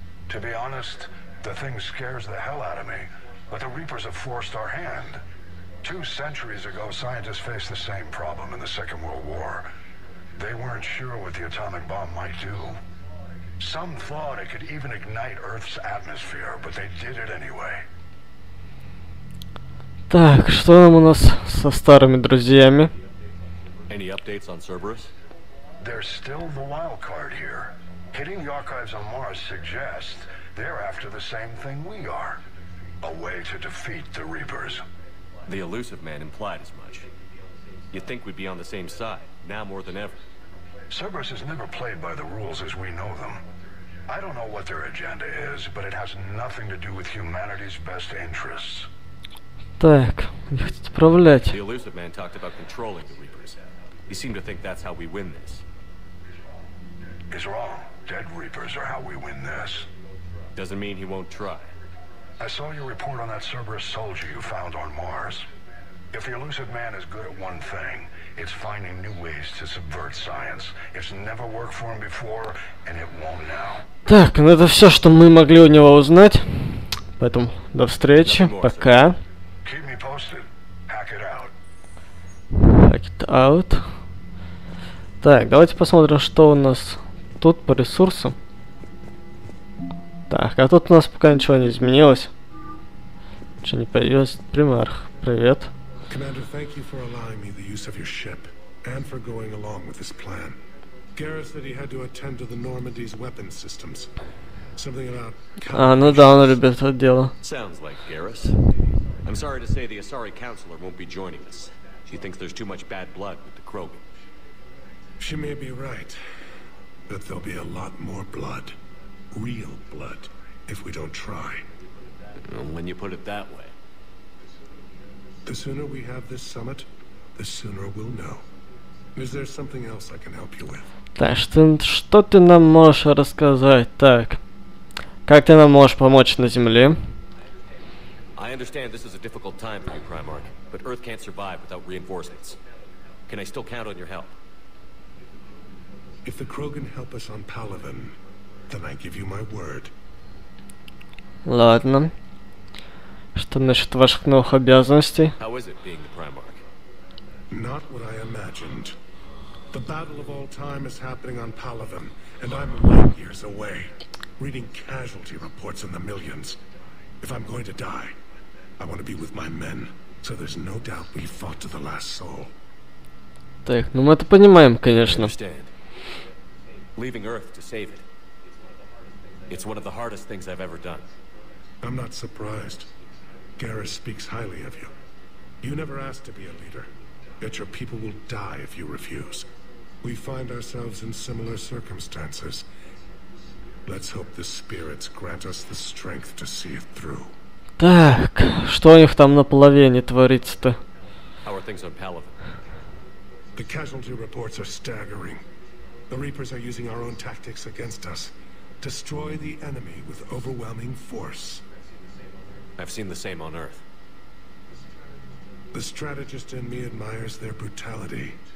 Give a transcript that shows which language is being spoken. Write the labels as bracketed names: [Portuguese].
[English] To be honest, the thing scares the hell out of me, but the Reapers have forced our hand. Two centuries ago, scientists faced the same problem in the Second World War. They weren't sure what the atomic bomb might do. Some thought it could even ignite Earth's atmosphere, but they did it anyway. [Russian] Так, что там у нас со старыми друзьями? [English] Any updates on Cerberus? There's still the wild card here. Hitting the archives on Mars suggests they're after the same thing we are. A way to defeat the Reapers. The elusive man implied as much. You'd think we'd be on the same side, now more than ever. Cerberus has never played by the rules as we know them. I don't know what their agenda is, but it has nothing to do with humanity's best interests. [Russian] Так, не хотят управлять. [English] The elusive man talked about controlling the Reapers. He seemed to think that's how we win this. He's wrong. Dead Reapers are how we win this. Doesn't mean he won't try. I saw your report on that Cerberus soldier you found on Mars. If the elusive man is good at one thing, it's finding new ways to subvert science. It's never worked for him before, and it won't now. [Russian] Так, ну это все, что мы могли у него узнать. Поэтому до встречи. [English] More, [Russian] пока. [English] Sir. Keep me posted. Hack it out. Hack it out. [Russian] Так, давайте посмотрим, что у нас тут по ресурсам. Так, а тут у нас пока ничего не изменилось. Что не появилось? Примарх, привет. [English] Commander, thank you for allowing me the use of your ship and for going along with this plan. Garrus said he had to attend to the Normandy's weapon systems. Something about... [Russian] А, ну да, он любит это дело. [English] Sounds like Garrus. I'm sorry to say the Asari counselor won't be joining us. She thinks there's too much bad blood with the Krogan. She may be right, but there'll be a lot more blood, real blood, if we don't try. When you put it that way. The sooner we have this summit, the sooner we'll know. Is there something else I can help you with? [Russian] Так, что ты нам можешь рассказать? Так, как ты нам можешь помочь на Земле? [English] I understand this is a difficult time for you, Primarch, but Earth can't survive without reinforcements. Can I still count on your help? If the Krogan help us on Palavin, then I give you my word. [Russian] Ладно. Что насчет ваших новых обязанностей? [English] How is it being the Primarch? Not what I imagined. The battle of all time is happening on Palavin, and I'm light years away, reading casualty reports in the millions. If I'm going to die, I want to be with my men, so there's no doubt we fought to the last soul. [Russian] Так, ну мы это понимаем, конечно. [English] Leaving Earth to save it. It's one of the hardest things I've ever done. I'm not surprised. Garrus speaks highly of you. You never asked to be a leader, yet your people will die if you refuse. We find ourselves in similar circumstances. Let's hope the spirits grant us the strength to see it through. [Russian] Так, что у них там на половине творится-то? [English] How are things on Palavin? The casualty reports are staggering. The Reapers are using our own tactics against us. Destroy the enemy with overwhelming force. I've seen the same on Earth. The strategist in me admires their brutality.